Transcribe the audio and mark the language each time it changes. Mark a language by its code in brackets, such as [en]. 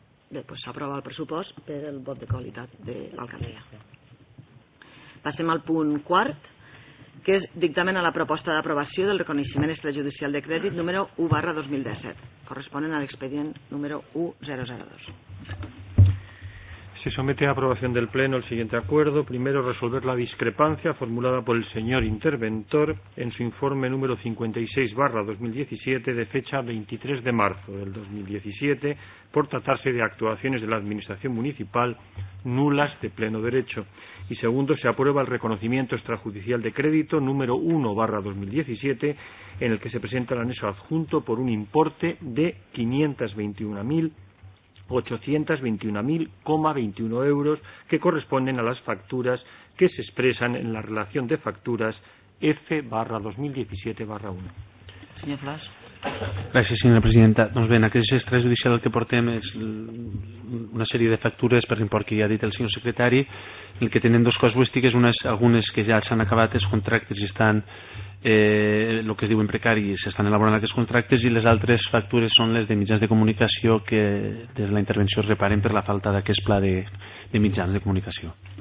[ca] Bé, doncs s'aprova el pressupost per el vot de qualitat de l'alcaldia. Passem al punt quart, que és dictamen a la proposta d'aprovació del reconeixement extrajudicial de crèdit número 1/2017, corresponent a l'expedient número 1002. [es] Se somete a aprobación del Pleno el siguiente acuerdo. Primero, resolver la discrepancia formulada por el señor interventor en su informe número 56/2017 de fecha 23 de marzo del 2017 por tratarse de actuaciones de la Administración Municipal nulas de pleno derecho. Y segundo, se aprueba el reconocimiento extrajudicial de crédito número 1/2017 en el que se presenta el anexo adjunto por un importe de 521.821,21 euros que corresponden a las facturas que se expresan en la relación de facturas F/2017/1. Señor Flas. [ca] Gràcies, senyora presidenta. Doncs bé, en aquest extrajudicial el que portem és una sèrie de factures, per l'import que ja ha dit el senyor secretari, el que tenen dos casuístiques, algunes que ja s'han acabat, els contractes i estan el que es diuen precari, s'estan elaborant aquests contractes, i les altres factures són les de mitjans de comunicació que des de la intervenció es reparen per la falta d'aquest pla de mitjans de comunicació.